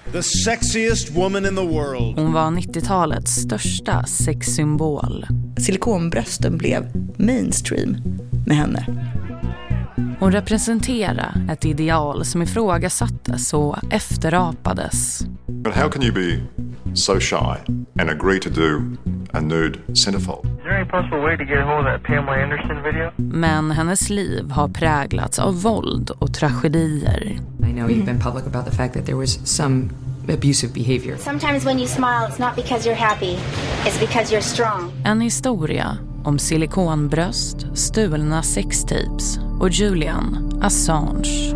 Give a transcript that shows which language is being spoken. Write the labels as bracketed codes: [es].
[en] The sexiest woman in the world. [sv] Hon var 90-talets största sexsymbol. Silikonbrösten blev mainstream med henne. Hon representerar ett ideal som ifrågasattes och efterapades. [en] But how can you be so shy and agree to do a nude centerfold? Is there any possible way to get a hold of that Pamela Anderson video? [sv] Men hennes liv har präglats av våld och tragedier. [en] I know you've been public about the fact that there was some abusive behavior. Sometimes when you smile it's not because you're happy, it's because you're strong. [sv] En historia om silikonbröst, stulna sextapes och Julian Assange.